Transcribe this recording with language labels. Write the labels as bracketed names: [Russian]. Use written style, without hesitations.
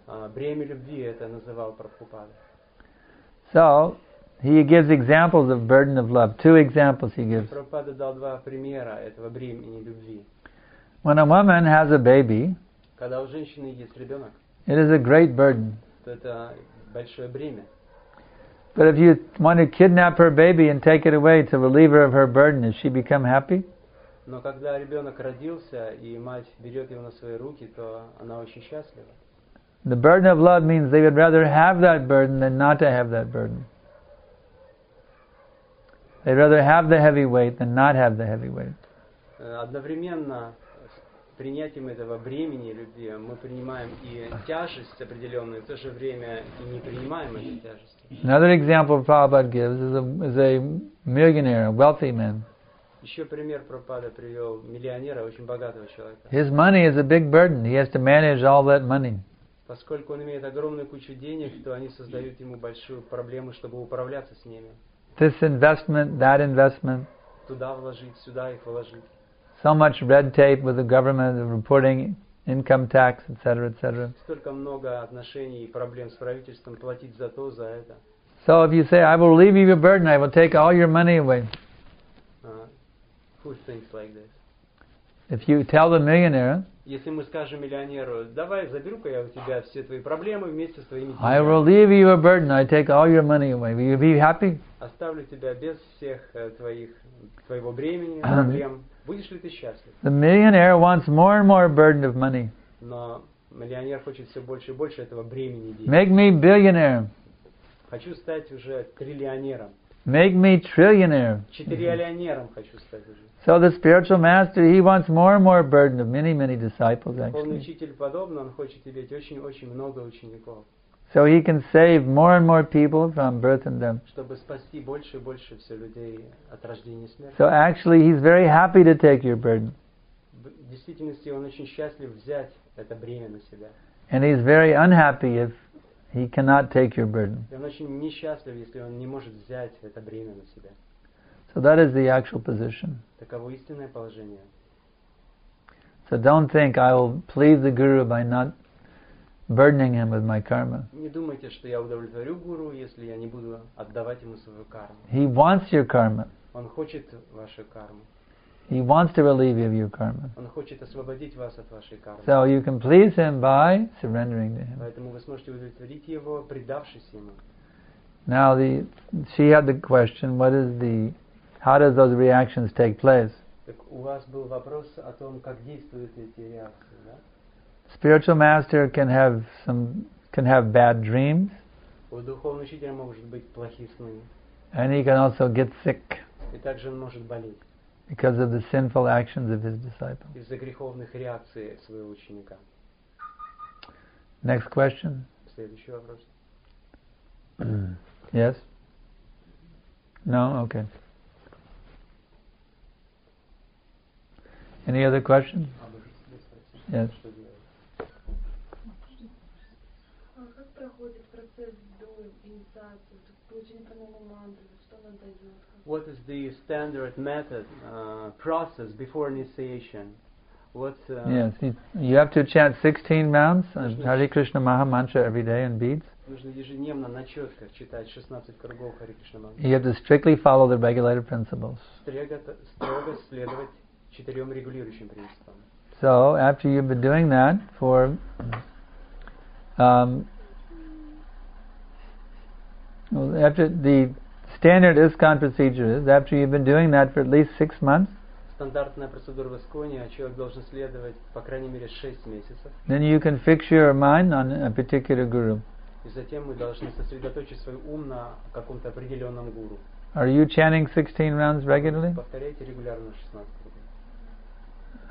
[Russian] Бремя любви это называл Прабхупада. [English] So, he gives examples of burden of love. Two examples he gives. [Russian] Прабхупада дал два примера этого бремени любви. [English] When a woman has a baby, [Russian] когда у женщины есть ребенок, [English] it is a great burden. [Russian] Это большое бремя. [English] But if you want to kidnap her baby and take it away to relieve her of her burden, does she become happy? [Russian] Но когда ребенок родился и мать берет его на свои руки, то она очень счастлива. [English] The burden of love means they would rather have that burden than not to have that burden. They'd rather have the heavy weight than not have the heavy weight. [Russian] Одновременно с принятием этого бремени любви мы принимаем и тяжесть определенную, в то же время и не принимаем эту тяжесть. [English] Another example Prabhupada gives is a millionaire, a wealthy man. [Russian] Еще пример Прабхупада привел миллионера, очень богатого человека. [English] His money is a big burden. He has to manage all that money. [Russian] Поскольку он имеет огромную кучу денег, то они создают ему большую проблему, чтобы управляться с ними. [English] This investment, that investment. [Russian] Туда вложить, сюда их вложить. [English] So much red tape with the government of reporting income tax, etc., etc. [Russian] Столько много отношений и проблем с правительством платить за то, за это. [English] So if you say, I will leave you your burden, I will take all your money away. Who thinks like this? If you tell the millionaire, [Russian] если мы скажем миллионеру, давай заберу-ка я у тебя все твои проблемы вместе с твоими деньгами. [English] I will leave you a burden. I take all your money away. Will you be happy? [Russian] Оставлю тебя без всех твоего бремени, проблем. Будешь ли ты счастлив? [English] The millionaire wants more and more burden of money. [Russian] Но миллионер хочет все больше и больше этого бремени денег. [English] Make me billionaire. [Russian] Хочу стать уже триллионером. [English] Make me trillionaire. [Russian] Четырилионером хочу стать уже. [English] So the spiritual master, he wants more and more burden of many, many disciples, actually. [Russian] Он учитель подобный, он хочет иметь очень-очень много учеников. [English] So he can save more and more people from birth and death. [Russian] Чтобы спасти больше и больше все людей от рождения и смерти. [English] So actually, he's very happy to take your burden. [Russian] В действительности, он очень счастлив взять это бремя на себя. [English] And he's very unhappy if he cannot take your burden. [Russian] И он очень несчастлив, если он не может взять это бремя на себя. [English] So that is the actual position. [Russian] Таково истинное положение. [English] So don't think I will please the guru by not burdening him with my karma. [Russian] Не думайте, что я удовлетворю гуру, если я не буду отдавать ему свою карму. [English] He wants your karma. [Russian] Он хочет вашу карму. [English] He wants to relieve you of your karma. [Russian] Он хочет освободить вас от вашей кармы. [English] So you can please him by surrendering to him. [Russian] Поэтому вы сможете удовлетворить его, предавшись ему. [English] Now she had the question, how does those reactions take place? [Russian] Так у вас был вопрос о том, как действуют эти реакции, да? [English] Spiritual master can have bad dreams. [Russian] У духовного учителя может быть плохие сны. [English] And he can also get sick. [Russian] И также он может болеть. [English] Because of the sinful actions of his disciple. [Russian] Из-за греховных реакций своего ученика. [English] Next question. [Russian] Следующий вопрос. [English] Yes? No? Okay. Any other questions? Yes. [Russian] Как проходит процесс до инициации, получения полной мантры, что она дает? [English] What is the standard method process before initiation? Yes, you have to chant 16 rounds of Hare Krishna Maha Mantra every day in beads. [Russian] Нужно ежедневно на четках читать 16 кругов Hare Krishna Mantra. [English] You have to strictly follow the regulator principles. [Russian] Строго следовать четырем регулирующим принципам. [English] So after you've been doing that for after the standard ISKCON procedure is after you've been doing that for at least 6 months. [Russian] Стандартная процедура в ИСКОНе, человек должен следовать по крайней мере 6 месяцев. [English] Then you can fix your mind on a particular guru. [Russian] И затем мы должны сосредоточить свой ум на каком-то определенном гуру. [English] Are you chanting 16 rounds regularly? [Russian] Повторяете регулярно 16 кругов.